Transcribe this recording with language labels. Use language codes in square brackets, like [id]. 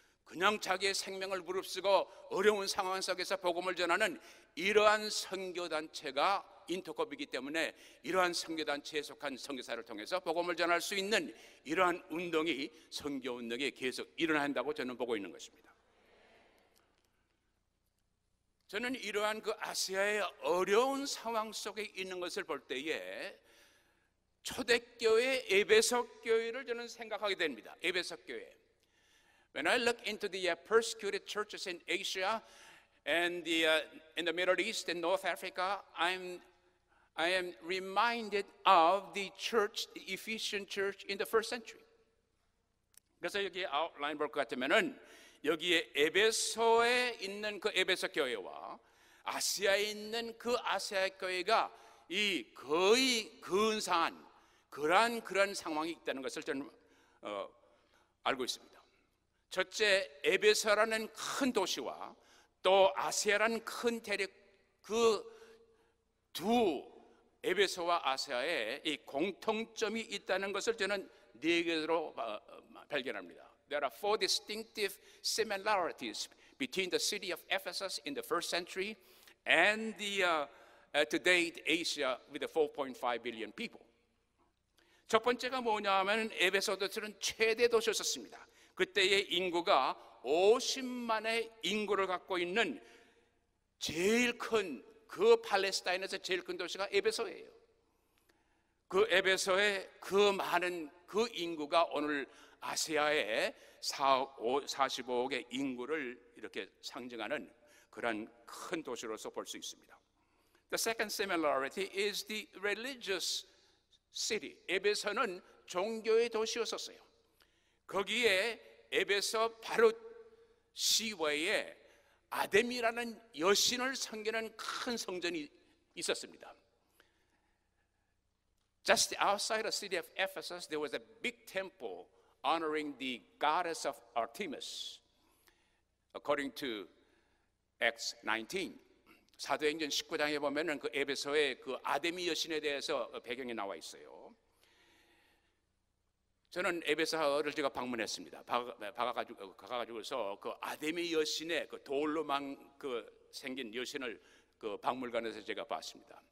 [ko] 그냥 자기의 생명을 무릅쓰고 어려운 상황 속에서 복음을 전하는 이러한 선교단체가 인터콥이기 때문에 이러한 선교단체에 속한 선교사를 통해서 복음을 전할 수 있는 이러한 운동이 선교운동이 계속 일어난다고 저는 보고 있는 것입니다. 저는 이러한 그 아시아의 어려운 상황 속에 있는 것을 볼 때에 초대교회 에베소 교회를 저는 생각하게 됩니다. 에베소 교회. [en] When I look into the persecuted churches in Asia and in the Middle East and North Africa, I am reminded of the church, the Ephesian church in the first century. [ko] 그래서 여기 아웃라인 볼 것 같으면은 여기에 에베소에 있는 그 에베소 교회와 아시아에 있는 그 아시아 교회가 이 거의 근사한 그런 상황이 있다는 것을 저는 알고 있습니다. 첫째, 에베소라는 큰 도시와 또 아세아라는 큰 대륙 그 두 에베소와 아세아에 이 공통점이 있다는 것을 저는 네 개로 발견합니다. [en] There are four distinctive similarities between the city of Ephesus in the first century and today Asia with the 4.5 billion people. [ko] 첫 번째가 뭐냐면 에베소 도시는 최대 도시였었습니다. 그때의 인구가 50만의 인구를 갖고 있는 제일 큰 그 팔레스타인에서 제일 큰 도시가 에베소예요. 그 에베소의 그 많은 그 인구가 오늘 아시아의 45억의 인구를 이렇게 상징하는 그런 큰 도시로서 볼 수 있습니다. [en] The second similarity is the religious city. [ko] 에베소는 종교의 도시였었어요. 거기에 에베소 바로 시외에 아데미라는 여신을 섬기는 큰 성전이 있었습니다. [en] Just outside the city of Ephesus, there was a big temple honoring the goddess of Artemis, according to Acts 19. [ko] 사도행전 19장에 보면은 그 에베소의 그 아데미 여신에 대해서 배경이 나와 있어요. 저는 에베소를 제가 방문했습니다. 가가지고서 그 아데미 여신의 그 돌로만 그 생긴 여신을 그 박물관에서 제가 봤습니다.